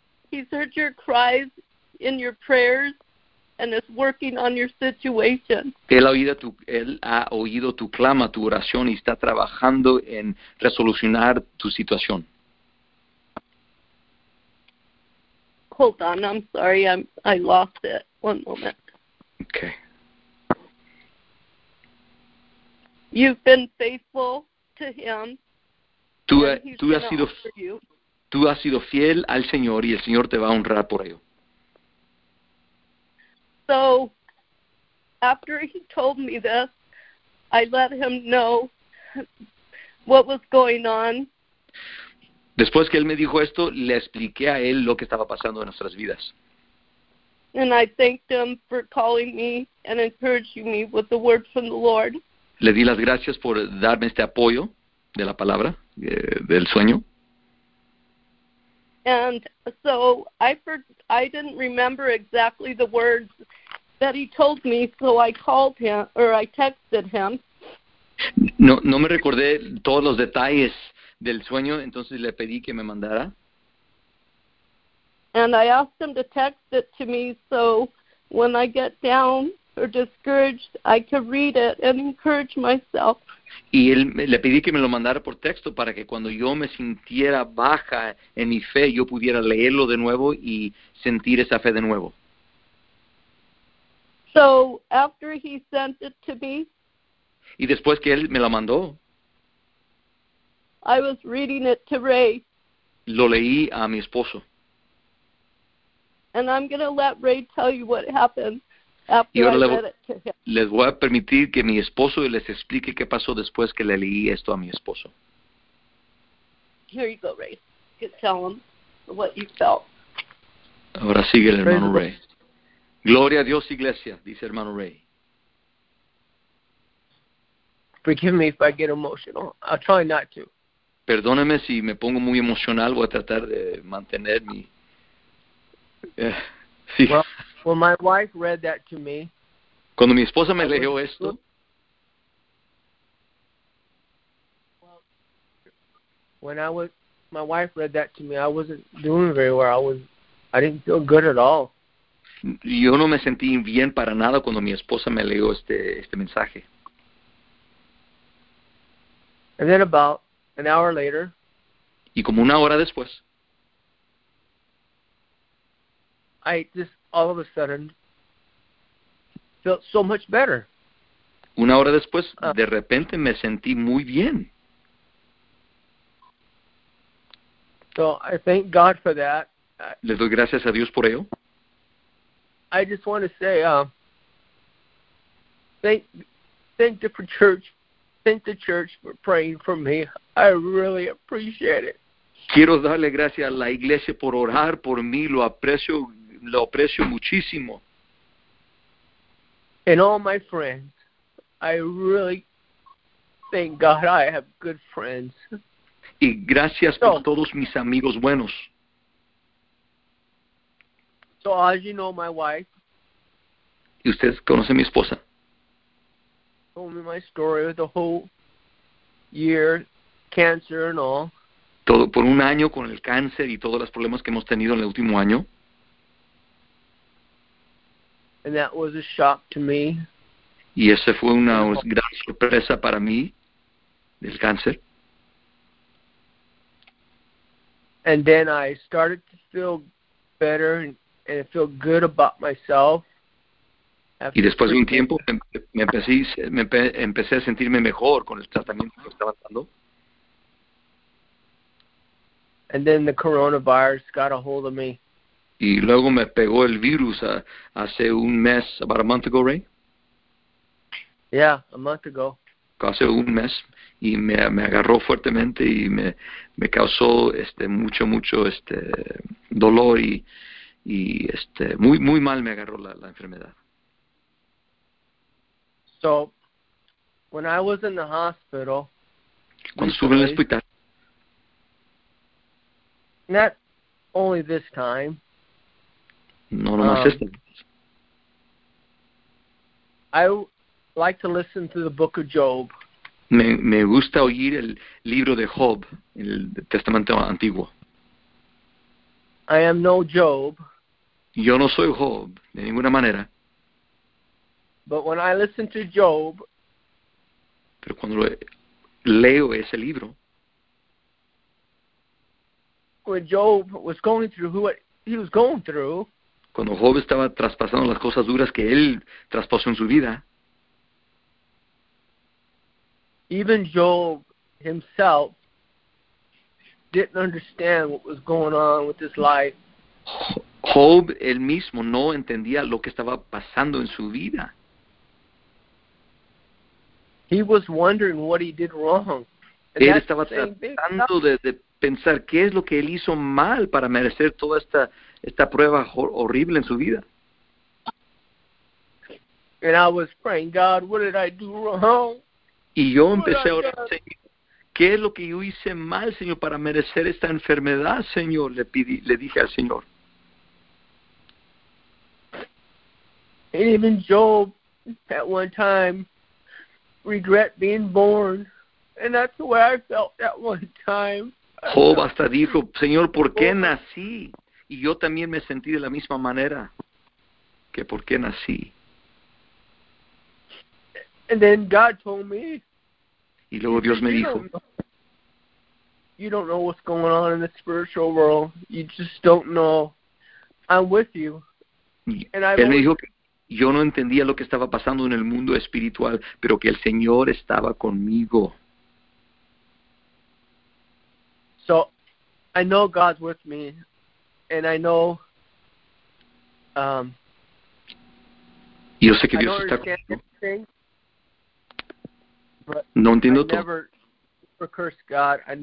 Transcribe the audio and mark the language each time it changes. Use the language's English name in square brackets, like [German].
[English] He's heard your cries in your prayers and is working on your situation. [Spanish] Él ha oído tu clama, tu oración, y está trabajando en resolucionar tu situación. [English] Hold on, I'm sorry, I lost it. One moment. Okay. You've been faithful to him. [Spanish] Tú has sido tú has sido fiel al Señor y el Señor te va a honrar por ello. [English] So, after he told me this, I let him know what was going on. [Spanish] Después que él me dijo esto, le expliqué a él lo que estaba pasando en nuestras vidas. [English] And I thanked him for calling me and encouraging me with the word from the Lord. [Spanish] Le di las gracias por darme este apoyo de la palabra, del sueño. [English] And so I didn't remember exactly the words that he told me, so I called him or I texted him. [Spanish] No me recordé todos los detalles del sueño, entonces le pedí que me mandara. [English] And I asked him to text it to me so when I get down or discouraged, I could read it and encourage myself. [Spanish] Y él le pedí que me lo mandara por texto para que cuando yo me sintiera baja en mi fe, yo pudiera leerlo de nuevo y sentir esa fe de nuevo. [English] So after he sent it to me, [Spanish] y después que él me la mandó, [English] I was reading it to Ray. [Spanish] Lo leí a mi esposo. [English] And I'm going to let Ray tell you what happened after [Spanish] y ahora [English] I read it to him. [Spanish] Les voy a permitir que mi esposo les explique qué pasó después que le leí esto a mi esposo. [English] Here you go, Ray. You can tell him what you felt. [Spanish] Ahora sigue el hermano Ray. Gloria a Dios, iglesia, dice hermano Ray. [English] Forgive me if I get emotional. I'll try not to. [Spanish] Perdóneme si me pongo muy emocional. Voy a tratar de mantener mi... Sí. [English] Well, my wife read that to me. [Spanish] Cuando mi esposa me leyó esto... [English] When my wife read that to me, I wasn't doing very well. I didn't feel good at all. [Spanish] Yo no me sentí bien para nada cuando mi esposa me leyó este mensaje. [English] And then about an hour later, [Spanish] y como una hora después, [English] I just all of a sudden felt so much better. [Spanish] Una hora después, de repente me sentí muy bien. [English] So I thank God for that. [Spanish] Le doy gracias a Dios por ello. [English] I just want to say thank different church. Thank the church for praying for me. I really appreciate it. [Spanish] Quiero darle gracias a la iglesia por orar por mí. Lo aprecio muchísimo. [English] And all my friends, I really thank God I have good friends. [Spanish] Y gracias so, por todos mis amigos buenos. [English] So as you know, my wife. [Spanish] ¿Y ustedes conocen mi esposa? [English] Told me my story with the whole year, cancer and all. [Spanish] Todo por un año con el cáncer y todos los problemas que hemos tenido en el último año. [English] And that was a shock to me. [Spanish] Y ese fue una gran sorpresa para mí, el cáncer. [English] And then I started to feel better and feel good about myself. [Spanish] Y después de un tiempo me empecé a sentirme mejor con el tratamiento que estaba dando. [English] And then the coronavirus got a hold of me. [Spanish] Y luego me pegó el virus hace un mes, [English] about a month ago, [Spanish] Ray. [English] Yeah, a month ago. [Spanish] Hace un mes y me agarró fuertemente y me causó mucho dolor y muy muy mal me agarró la enfermedad. [English] So, when I was in the hospital, [Spanish] cuando estuve en el hospital, [English] not only this time, [Spanish] no nomás esta vez, [English] I like to listen to the book of Job. [Spanish] Me gusta oír el libro de Job, el Testamento Antiguo. [English] I am no Job. [Spanish] Yo no soy Job, de ninguna manera. [English] But when I listen to Job, [Spanish] pero cuando leo ese libro, [English] when Job was going through what he was going through, [Spanish] cuando Job estaba traspasando las cosas duras que él traspasó en su vida, [English] even Job himself, didn't understand what was going on with his life. [Spanish] Job él mismo no entendía lo que estaba pasando en su vida. [English] He was wondering what he did wrong. [Spanish] Él estaba tratando de pensar qué es lo que él hizo mal para merecer toda esta prueba horrible en su vida. [English] And I was praying, God, what did I do wrong? [Spanish] Y yo empecé a orar, Señor, ¿qué es lo que yo hice mal, Señor, para merecer esta enfermedad, Señor? Le dije al Señor. [English] And even Job, at one time, regret being born. And that's the way I felt at one time. [Spanish] Job hasta dijo, Señor, ¿por qué nací? Y yo también me sentí de la misma manera que por qué nací. [English] And then God told me. [Spanish] Y luego Dios me dijo. [English] You don't know what's going on in the spiritual world. You just don't know. I'm with you. [Spanish] Él me dijo que yo no entendía lo que estaba pasando en el mundo espiritual, pero que el Señor estaba conmigo. [English] So, I know God's with me, and I know. [Spanish] Yo sé que Dios está conmigo. No entiendo todo. [English] I never curse God.